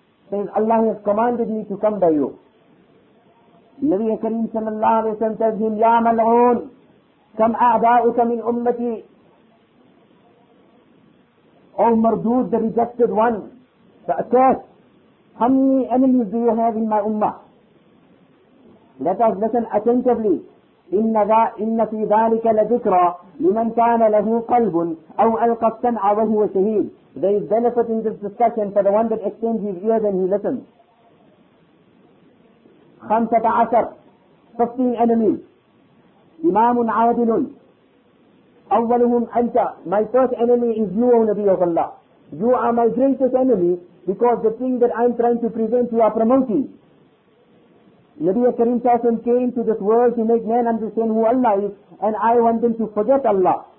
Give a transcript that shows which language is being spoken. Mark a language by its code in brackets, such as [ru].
[en] Says, Allah has commanded me to come by you. Nabi Kareem sallallahu alayhi wa sallam tells him, [ar] يَا مَلْعُونَ كَمْ أَعْدَاؤُكَ مِنْ أُمَّتِي [en] O Mardood, the rejected one, the accursed, how many enemies do you have in my ummah? Let us listen attentively. [ar] إِنَّ فِي ذَٰلِكَ لَذِكْرَى لِمَنْ كَانَ لَهُ قَلْبٌ أَوْ أَلْقَى السَّمْعَ وَهُوَ شَهِيدٌ [en] There is benefit in this discussion for the one that extends his ears and he listens. [ar] خَمْسَةَ عَشَرْ [en] 15 enemies. [ar] إِمَامٌ عَادِلٌ أَوَّلُهُمْ أَنْتَ [en] My first enemy is you, O Nabi of Allah. You are my greatest enemy because the thing that I am trying to present you are promoting. Nabi Kareem Sassan came to this world to make men understand who Allah is and I want them to forget Allah.